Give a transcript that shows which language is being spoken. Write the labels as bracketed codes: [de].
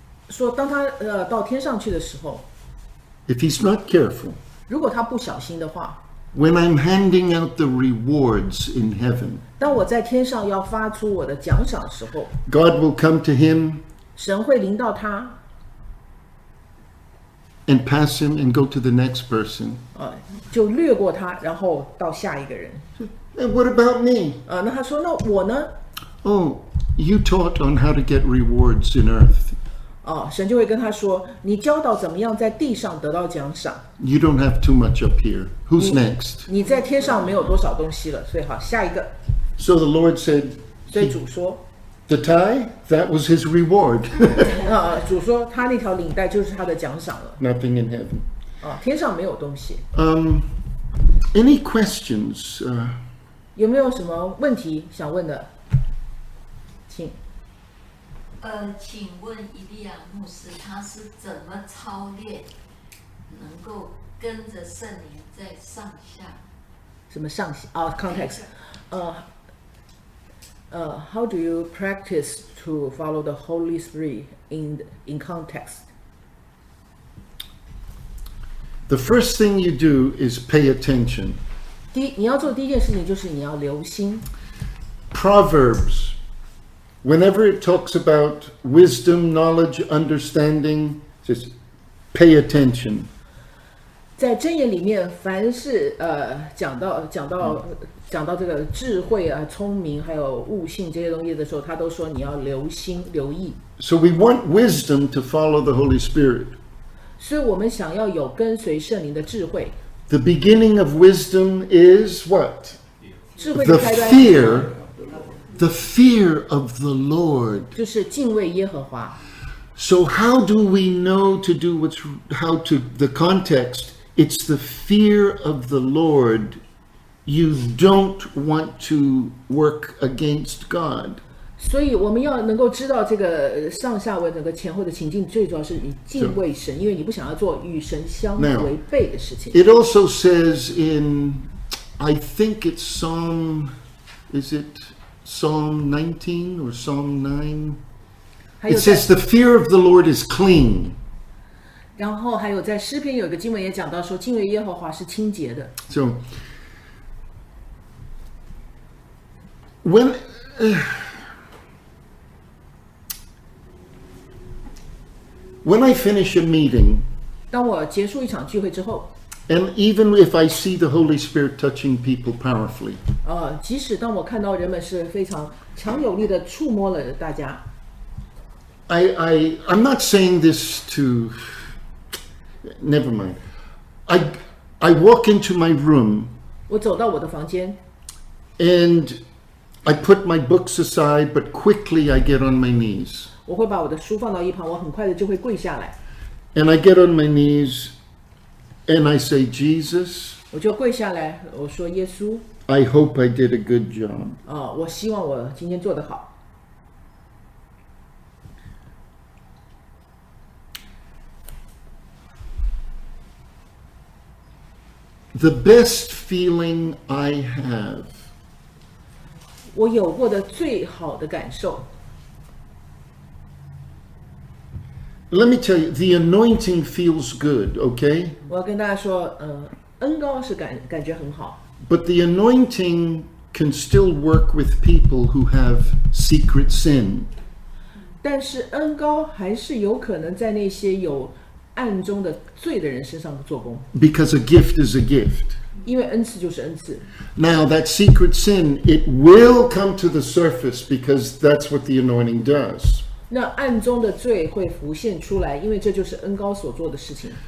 [zh] 说当他到天上去的时候， [en] If he's not careful, [zh] 如果他不小心的话， [en] When I'm handing out the rewards in heaven, [zh] 当我在天上要发出我的奖赏的时候， [en] God will come to him, [zh] 神会临到他， [en] and pass him and go to the next person. [zh] 就略过他，然后到下一个人。 [en] And what about me? [zh] 那他说，那我呢？ [en] Oh, you taught on how to get rewards in earth. [zh] 神就会跟他说，你教导怎么样在地上得到奖赏。 [en] You don't have too much up here. Who's next? [zh] 你在天上没有多少东西了，所以好，下一个。 [en] So the Lord said, [zh] 所以主说， [en] the tie, that was his reward. [zh] 主说，他那条领带就是他的奖赏了。 [en] Nothing in heaven. [zh] 天上没有东西。 [en] Any questions? [zh] 有没有什么问题想问的？请。请问以利亚牧师，他是怎么操练，能够跟着圣灵在上下？什么上下？context. [en] How do you practice to follow the Holy Spirit in context? The first thing you do is pay attention. [zh] 你要做第一件事情就是你要留心。 [en] Proverbs, whenever it talks about wisdom, knowledge, understanding, just pay attention. [zh] 在箴言里面，凡是讲到这个智慧啊、聪明还有悟性这些东西的时候，他都说你要留心留意。 [en] So we want wisdom to follow the Holy Spirit. [zh] 所以我们想要有跟随圣灵的智慧。 [en] The beginning of wisdom is what? [zh] 智慧的开端。 [en] The fear of the Lord. [zh] 就是敬畏耶和华。 [en] So how do we know to do what's, how to, the context? It's the fear of the Lord. You don't want to work against God. [zh] 所以我们要能够知道这个上下文整个前后的情境，最主要是你敬畏神，因为你不想要做与神相违背的事情。 [en] It also says in, I think it's Psalm, is it Psalm 19 or Psalm 9? It says the fear of the Lord is clean. [zh] 然后还有在诗篇有一个经文也讲到说，敬畏耶和华是清洁的。 [en] So, when... When I finish a meeting, [zh] 当我结束一场聚会之后， [en] and even if I see the Holy Spirit touching people powerfully, [zh] 即使当我看到人们是非常强有力的触摸了大家， [en] I'm not saying this to, never mind. I walk into my room, [zh] 我走到我的房间， [en] and I put my books aside, but quickly I get on my knees. [zh] 我会把我的书放到一旁，我很快的就会跪下来。 [en] And I get on my knees, and I say, Jesus. [zh] 我就跪下来，我说耶稣。 [en] I hope I did a good job. [zh] 哦，我希望我今天做得好。 [en] The best feeling I have. [zh] 我有过的最好的感受。 [en] Let me tell you, the anointing feels good, okay? [zh] 我要跟大家说，恩膏是感觉很好。 [en] But the anointing can still work with people who have secret sin. [zh] 但是恩膏还是有可能在那些有暗中的罪的人身上做工。 [en] Because a gift is a gift. [zh] 因为恩赐就是恩赐。 [en] Now that secret sin, it will come to the surface because that's what the anointing does. [zh] 那暗中的罪会浮现出来，因为这就是恩膏所做的事情。